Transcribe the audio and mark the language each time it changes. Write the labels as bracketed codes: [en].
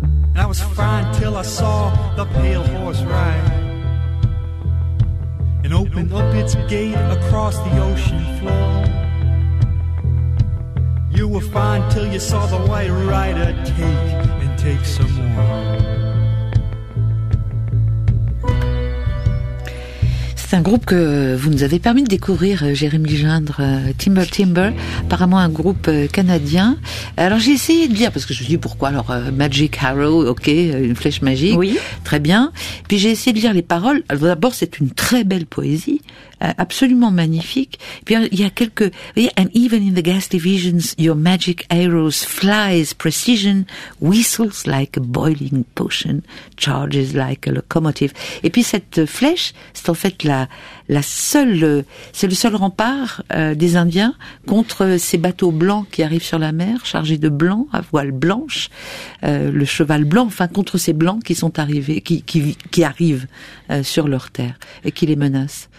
[en] And I was fine till I saw the pale horse ride and open up its gate across the ocean floor. You were fine till you saw the white rider take and take some more. [fr] c'est un groupe que vous nous avez permis de découvrir, Jérémy Gendre, Timber Timber, apparemment un groupe canadien. Alors j'ai essayé de lire, parce que je me suis dit pourquoi, alors Magic Arrow, ok, une flèche magique, oui. Très bien. Puis j'ai essayé de lire les paroles, alors d'abord c'est une très belle poésie, absolument magnifique. Puis il y a quelques... Vous voyez, [en] and even in the ghastly visions, your magic arrows flies precision, whistles like a boiling potion, charges like a locomotive. [fr] Et puis cette flèche, c'est en fait la seule, c'est le seul rempart des Indiens contre ces bateaux blancs qui arrivent sur la mer, chargés de blancs, à voile blanche, le cheval blanc, enfin contre ces blancs qui sont arrivés, qui arrivent sur leur terre et qui les menacent.